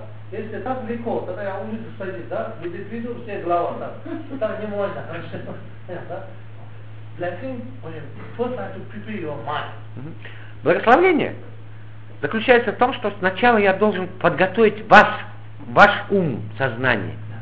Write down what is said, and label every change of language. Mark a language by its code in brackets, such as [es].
[ru] Если так легко, тогда я улицу садить, да? Люди придут, все глава, да? Так не можно, конечно. [en] Blessing, first I have to prepare your mind. [ru] Благословение заключается в том, что сначала я должен подготовить вас, ваш ум, сознание.